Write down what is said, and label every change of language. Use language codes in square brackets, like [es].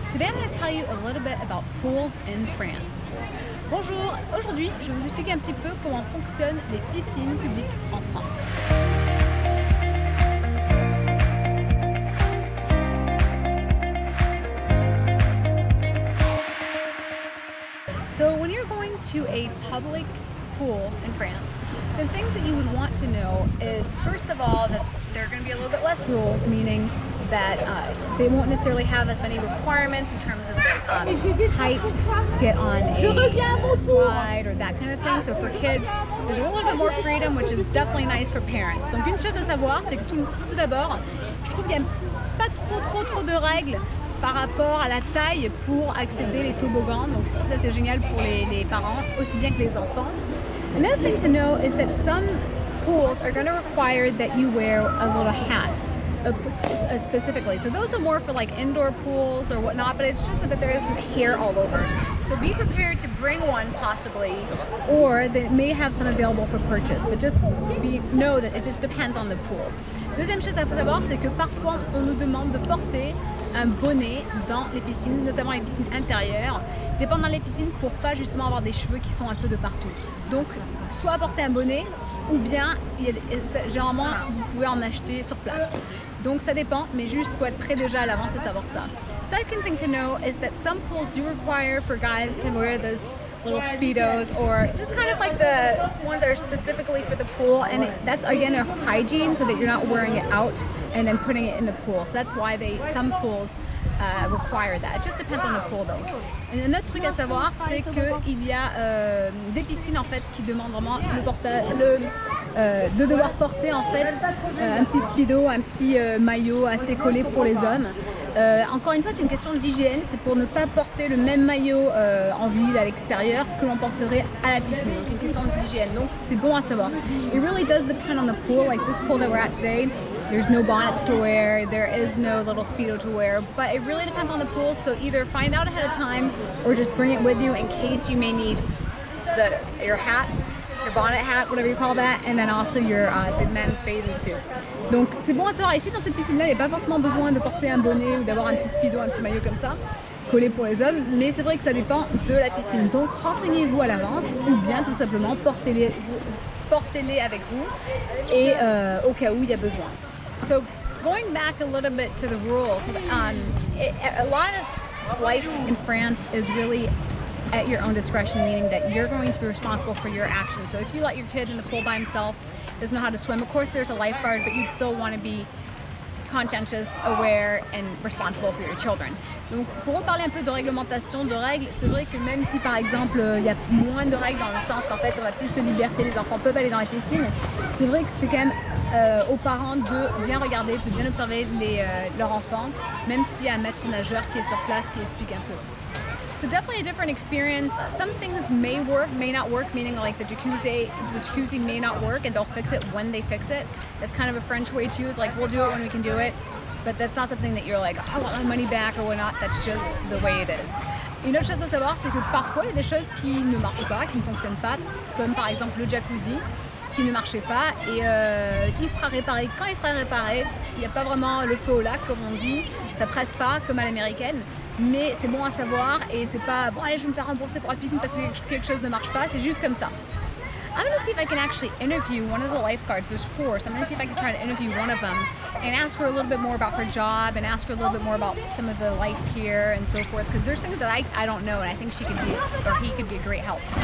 [en] Today I'm going to tell you a little bit about pools in France. [fr] Bonjour! Aujourd'hui, je vais vous expliquer un petit peu comment fonctionnent les piscines publiques en France. [en] So when you're going to a public pool in France, the things that you would want to know is, first of all, that there are going to be a little bit less rules, meaning that they won't necessarily have as many requirements in terms of height to get on a slide or that kind of thing. So for kids, there's a little bit more freedom, which is definitely nice for parents. [fr] Donc une chose à savoir, c'est que tout d'abord, je trouve qu'il n'y a pas trop de règles par rapport à la taille pour accéder les toboggans. Donc ça, c'est génial pour les parents, aussi bien que les enfants. [en] Another thing to know is that some pools are going to require that you wear a little hat specifically. So those are more for like indoor pools or whatnot, but it's just so that there isn't hair all over. So be prepared to bring one possibly, or they may have some available for purchase, but just know that it just depends on the pool. [fr] Deuxième chose à savoir, c'est que parfois on nous demande de porter un bonnet dans les piscines, notamment les piscines intérieures, dépendant les piscines pour pas justement avoir des cheveux qui sont un peu de partout. Donc, soit apporter un bonnet, ou bien, généralement, vous pouvez en acheter sur place. Donc ça dépend, mais juste faut être prêt déjà à l'avance et savoir ça. [en] Second thing to know is that some pools do require for guys to wear those little speedos, or just kind of like the ones that are specifically for the pool, and that's again a hygiene, so that you're not wearing it out and then putting it in the pool. So that's why some pools require that. It just depends on the pool though. [fr] Et un autre truc à savoir, c'est qu'il y a des piscines en fait qui demandent vraiment de devoir porter en fait un petit speedo, un petit maillot assez collé pour les hommes. Encore une fois, c'est une question d'hygiène, c'est pour ne pas porter le même maillot en ville à l'extérieur que l'on porterait à la piscine. Donc une question d'hygiène, donc c'est bon à savoir. [en] It really does depend on the pool, like this pool that we're at today. There's no bonnets to wear, there is no little speedo to wear, but it really depends on the pool, so either find out ahead of time or just bring it with you in case you may need your hat, your bonnet hat, whatever you call that, and then also your the men's bathing suit. [fr] Donc c'est bon à savoir, ici dans cette piscine-là, il n'y a pas forcément besoin de porter un bonnet ou d'avoir un petit speedo, un petit maillot comme ça, collé pour les hommes, mais c'est vrai que ça dépend de la piscine. Donc renseignez-vous à l'avance ou bien tout simplement portez-les avec vous et au cas où il y a besoin. [en] So going back a little bit to the rules, a lot of life in France is really at your own discretion, meaning that you're going to be responsible for your actions. So if you let your kid in the pool by himself, doesn't know how to swim, of course there's a lifeguard, but you still want to be conscientious, aware, and responsible for your children. [fr] Donc pour parler un peu de réglementation, de règles, c'est vrai que même si par exemple il y a moins de règles dans le sens qu'en fait on a plus de liberté, les enfants peuvent aller dans la piscine, c'est vrai que c'est quand même aux parents de bien regarder, de bien observer leurs enfants, même s'il y a un maître-nageur qui est sur place qui explique un peu. [en] So definitely a different experience. Some things may work, may not work, meaning like the jacuzzi may not work and they'll fix it when they fix it. That's kind of a French way too, is like we'll do it when we can do it. But that's not something that you're like, oh, I want my money back or whatnot, that's just the way it is. [fr] Une autre chose à savoir, c'est que parfois il y a des choses qui ne marchent pas, qui ne fonctionnent pas, comme par exemple le jacuzzi qui ne marchait pas et il sera réparé. Quand il sera réparé, il n'y a pas vraiment le feu au lac comme on dit, ça presse pas comme à l'américaine. Mais c'est bon à savoir et c'est pas bon allez je vais me faire rembourser pour la piscine parce que quelque chose ne marche pas, c'est juste comme ça. [en] I'm gonna see if I can actually interview one of the lifeguards. There's four, so I'm gonna see if I can try to interview one of them and ask her a little bit more about her job and ask her a little bit more about some of the life here and so forth, because there's things that I don't know and I think she could be, or he could be a great help.